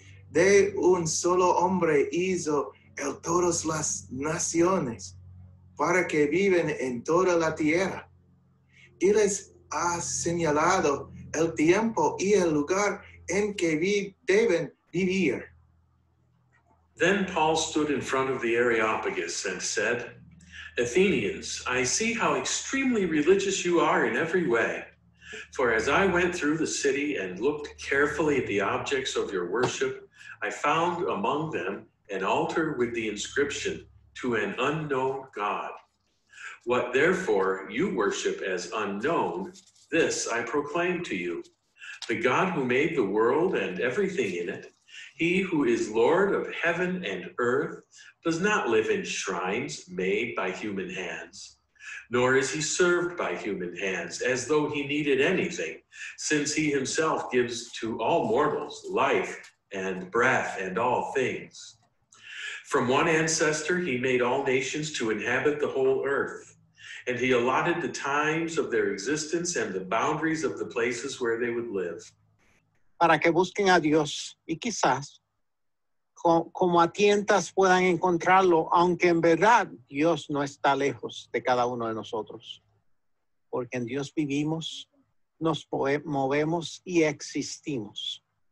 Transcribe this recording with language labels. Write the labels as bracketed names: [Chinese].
[Spanish] De un solo hombre hizo él todas las naciones para que viven en toda la tierra. Y les ha señalado el tiempo y el lugar en que deben vivir. [English] Then Paul stood in front of the Areopagus and said, Athenians, I see how extremely religious you are in every way. For as I went through the city and looked carefully at the objects of your worship, I found among them an altar with the inscription, To an unknown God. What therefore you worship as unknown, this I proclaim to you. The God who made the world and everything in it, he who is Lord of heaven and earth, does not live in shrines made by human hands, nor is he served by human hands as though he needed anything, since he himself gives to all mortals life and breath and all things. From one ancestor he made all nations to inhabit the whole earth, and he allotted the times of their existence and the boundaries of the places where they would live. [Spanish] Para que busquen a Dios y quizás como a tientas puedan encontrarlo, aunque en verdad Dios no está lejos de cada uno de nosotros. Porque en Dios vivimos, nos movemos y existimos.